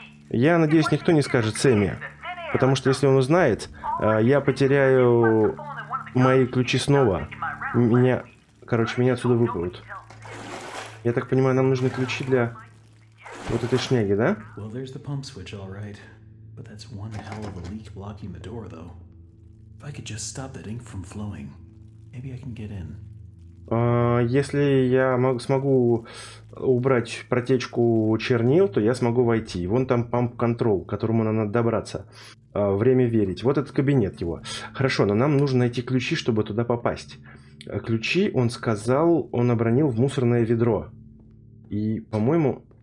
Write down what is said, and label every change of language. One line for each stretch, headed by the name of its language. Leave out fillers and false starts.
Russian: Я надеюсь, никто не скажет Сэмми. Потому что если он узнает, я потеряю мои ключи снова. Меня отсюда выпрут. Я так понимаю, нам нужны ключи для вот этой шняги, да?
English: But that's one hell of a leak blocking the door, though. If I could just stop that ink from flowing, maybe I can get in.
Russian: Если я смогу убрать протечку чернил, то я смогу войти. Вон там памп-контрол, к которому нам надо добраться. Время верить. Вот этот кабинет его. Хорошо, но нам нужно найти ключи, чтобы туда попасть. Ключи, он сказал, он обронил в мусорное ведро. И, по-моему...